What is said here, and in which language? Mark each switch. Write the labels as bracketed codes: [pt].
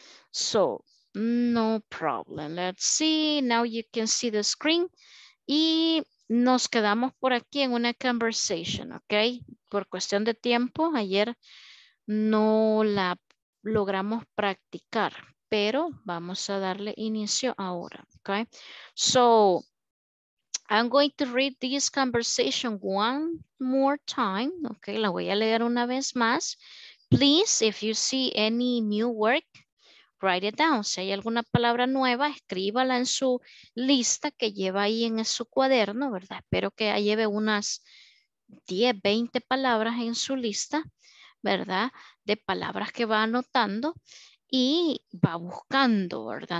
[en] So, no problem. Let's see. Now you can see the screen. [es] Y nos quedamos por aquí en una conversation, ¿ok? Por cuestión de tiempo, ayer no la logramos practicar. Pero vamos a darle inicio ahora, okay? [en] So, I'm going to read this conversation one more time, okay? [es] La voy a leer una vez más. [en] Please, if you see any new word, write it down. [es] Si hay alguna palabra nueva, escríbala en su lista que lleva ahí en su cuaderno, ¿verdad? Espero que lleve unas 10, 20 palabras en su lista, ¿verdad? De palabras que va anotando. Y va buscando, ¿verdad?